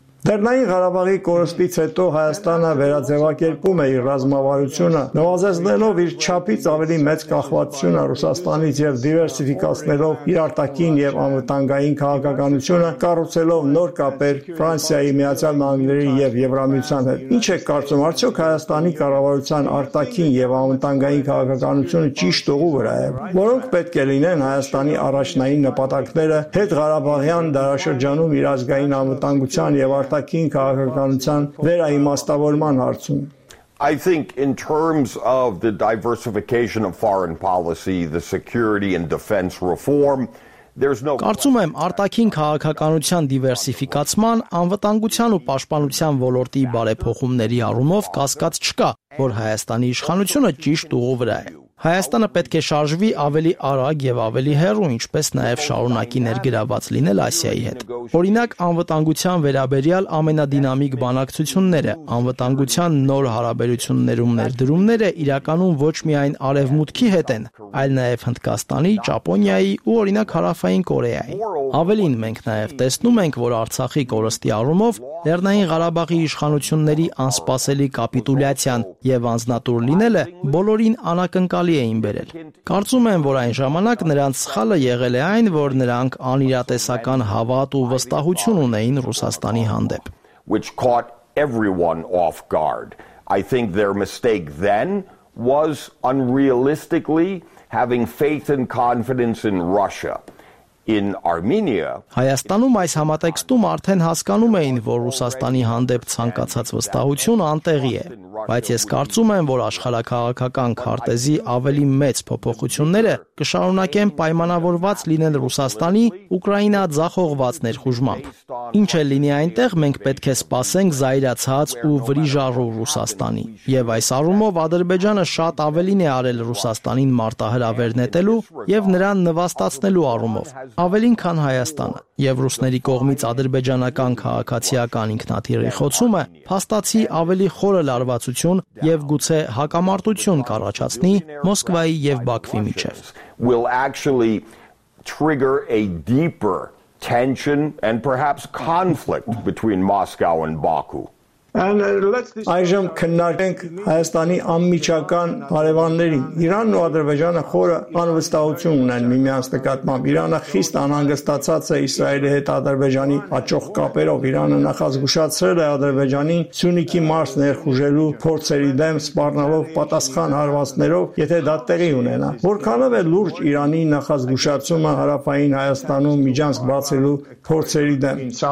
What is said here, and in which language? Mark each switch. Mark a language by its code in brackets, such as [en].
[hy] Դեռնային Ղարաբաղի կորստից հետո Հայաստանը վերաձևակերպում է իր ռազմավարությունը, նվազեցնելով իր չափից ավելի մեծ կախվածությունը Ռուսաստանից եւ դիվերսիֆիկացնելով իր արտաքին եւ անվտանգային քաղաքականությունը, կառուցելով նոր կապեր Ֆրանսիայի, Միացյալ Նահանգների եւ Եվրամիության հետ։ Ինչ եք կարծում, արդյոք Հայաստանի կառավարության արտաքին եւ անվտանգային քաղաքականությունը ճիշտ ուղու վրա է, որոնք պետք է լինեն Հայաստանի առաջնային նպատակները հետ Ղարաբաղյան դարաշրջանում իր ազգային անվտանգության եւ արտաքին քաղաքականության վերաիմաստավորման հարցում։ [en] I think in terms of the diversification of foreign policy, the security and defense reform, there's no [hy] Կարծում եմ, արտաքին քաղաքականության դիվերսիֆիկացման, անվտանգության ու պաշտպանության ոլորտի բարեփոխումների առումով կասկած չկա, որ Հայաստանի իշխանությունը ճիշտ ուղու վրա է։ Հայաստանը պետք է շարժվի ավելի արագ եւ ավելի հեռու, ինչպես նաեւ շարունակի ներգրաված լինել Ասիայի հետ։ Օրինակ, անվտանգության վերաբերյալ ամենադինամիկ բանակցությունները, անվտանգության նոր հարաբերություններում ներդրումները իրականում ոչ միայն Արևմուտքի հետ են, այլ նաեւ Հնդկաստանի, Ճապոնիայի ու օրինակ Հարավային Կորեայի։ Ավելին, մենք նաեւ տեսնում ենք, որ Արցախի կորստի առումով Լեռնային Ղարաբաղի իշխանությունների անսպասելի կապիտուլյացիան եւ անznատուր լինելը բոլորին անակնկալի էին բերել։ Կարծում եմ, որ այն ժամանակ նրանց սխալը եղել է այն, որ նրանք անիրատեսական հավատ ու վստահություն ունեին Ռուսաստանի հանդեպ։ [en] Which caught everyone off guard. I think their mistake then was unrealistically having faith and confidence in Russia. In Armenia, [hy] Հայաստանում այս համատեքստում արդեն հասկանում էին, որ Ռուսաստանի հանդեպ ցանկացած վստահություն անտեղի է, բայց ես կարծում եմ, որ աշխարհակաղակական քարտեզի ավելի մեծ փոփոխությունները կշարունակեն պայմանավորված լինել Ռուսաստանի Ուկրաինա ձախողված ներխուժմամբ։ Ինչ է լինի այնտեղ, մենք պետք է սպասենք զայրացած ու վրիժառու Ռուսաստանի, եւ այս առումով Ադրբեջանը շատ ավելին է արել Ռուսաստանին մարտահրավեր նետելու եւ նրան նվաստացնելու առումով, ավելին քան Հայաստանը։ Եվ ռուսների կողմից ադրբեջանական քաղաքացիական ինքնաթիռի խոցումը փաստացի ավելի խորը լարվածություն եւ գուցե հակամարտություն կառաջացնի Մոսկվայի եւ Բաքվի միջեւ։ [en] Will actually trigger a deeper tension and perhaps conflict between Moscow and Baku. [hy] Այժմ քննարկենք Հայաստանի անմիջական հարևաններին։ Իրանն ու Ադրբեջանը խորը անվստահություն ունեն միմյանց նկատմամբ։ Իրանը խիստ անհանգստացած է Իսրայելի հետ Ադրբեջանի աճող կապերով։ Իրանը նախազգուշացրել է Ադրբեջանին Սյունիքի մարզ ներխուժելու փորձերի դեմ սպառնալով պատասխան հարվածներով, եթե դա տեղի ունենա։ Որքանով է լուրջ Իրանի նախազգուշացումը հարավային Հայաստանում միջանցք բացելու փորձերի դեմ։